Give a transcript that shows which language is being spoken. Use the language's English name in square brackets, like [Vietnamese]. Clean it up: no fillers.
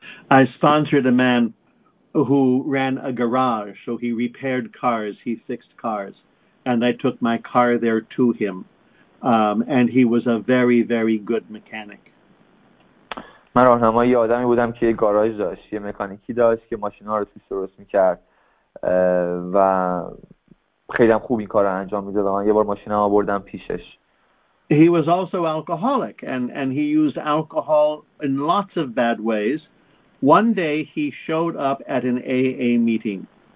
[English] I sponsored a man who ran a garage, so he repaired cars, he fixed cars, and I took my car there to him, and he was a very, very good mechanic. [Persian] من راهنمای یه آدمی بودم که یه گاراژ داشت، یه مکانیکی داشت که ماشینا رو توش درست میکرد و خیلی هم خوب این کار رو انجام میده. من یه بار ماشین رو آوردم پیشش. [English] He was also alcoholic and he used alcohol in lots of bad ways. One day he showed up at an AA meeting.